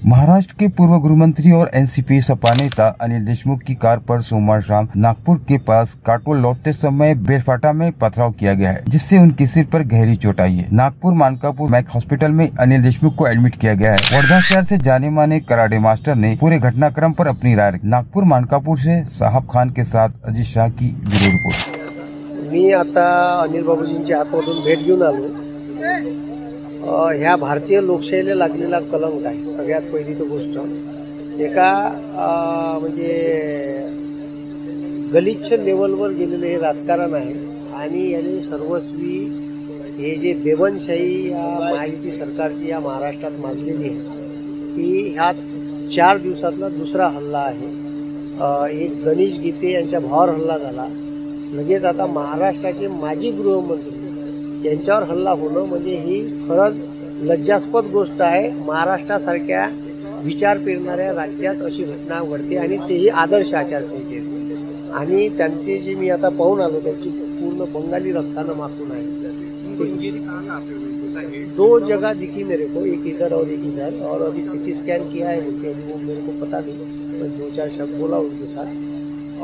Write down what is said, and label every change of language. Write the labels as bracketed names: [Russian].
[Hindi] महाराष्ट्र के पूर्व गृह मंत्री और एनसीपी सपा नेता अनिल देशमुख की कार पर सोमवार शाम नागपुर के पास काटोल लौटते समय बेरफाटा में पथराव किया गया है, जिससे उनके सिर पर गहरी चोट आई है। नागपुर मानकापुर मैक हॉस्पिटल में अनिल देशमुख को एडमिट किया गया है। वर्धा शहर से जाने माने कराटे मास्टर ने पूरे घटनाक्रम पर अपनी राय रखी। नागपुर मानकापुर से साहब खान के साथ अजीत शाह की ब्यूरो रिपोर्ट। [Marathi] मैं आता अनिल बाबूजींच्या हातमधून भेट घेऊन आलो। ह्या भारतीय लोकशाहीला लागलेला कलंक आहे सगळ्यात पहिली तो गोष्ट। एका म्हणजे गलिच्छ लेवलवर गेलेलं हे राजकारण आहे आणि याने सर्वस्वी हे जे बेवनशाही माहिती सरकारची या महाराष्ट्रात मानलेली आहे की ह्यात चार दिवसातला दुसरा हल्ला आहे। एक गणेश गीते यांच्या भावावर हल्ला झाला, लगेच आता महाराष्ट्राचे माजी गृहमंत्री त्यांच्यावर हल्ला होणं म्हणजे ही खरंच लज्जास्पद गोष्ट आहे। महाराष्ट्रासारख्या विचार पेरणाऱ्या राज्यात अशी घटना घडते आणि तेही आदर्श आचारसंहितेत, आणि त्यांची जी मी आता पाहून आलो त्यांची पूर्ण बंगाली रक्तानं माखून आहे। [Hindi] दो जगा दिखी मेरे को, एक इधर और एक इधर, और अभी सिटी स्कॅन किया है उनके, अभी वो मेरे को पता नहीं, मैं दो चार शब्द बोला उनके साथ।